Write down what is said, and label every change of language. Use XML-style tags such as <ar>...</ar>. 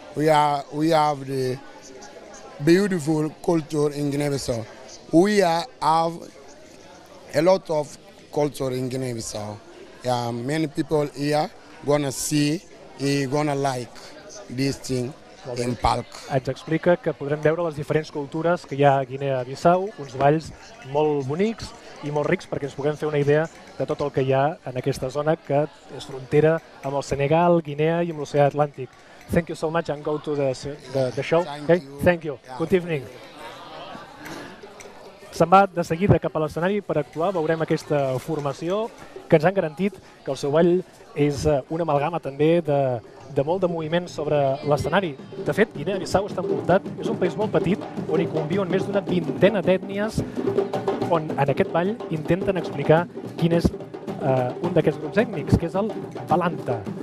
<en>We have the beautiful culture in Guinea-Bissau. We have a lot of culture in Guinea-Bissau. Yeah, many people here gonna see, gonna like this thing in Palc.</en> <ca>Ens explica que podrem veure les diferents cultures que hi ha a Guinea-Bissau, uns balls molt bonics i molt rics perquè ens puguem fer una idea de tot el que hi ha en aquesta zona que és frontera amb el Senegal, Guinea i amb l'oceà Atlàntic.</ca> <en>Thank you so much and go to the show. Thank okay? you. Thank you. Yeah. Good evening.</en> <ca>Se'n va de seguida cap a l'escenari per actuar. Veurem aquesta formació que ens han garantit que el seu ball és una amalgama també de molt de moviment sobre l'escenari. De fet, Guinea-Bissau està envoltat, és un país molt petit on hi conviuen més d'una vintena d'ètnies on en aquest ball intenten explicar quin és un d'aquests grups ètnics, que és el Balanta.</ca>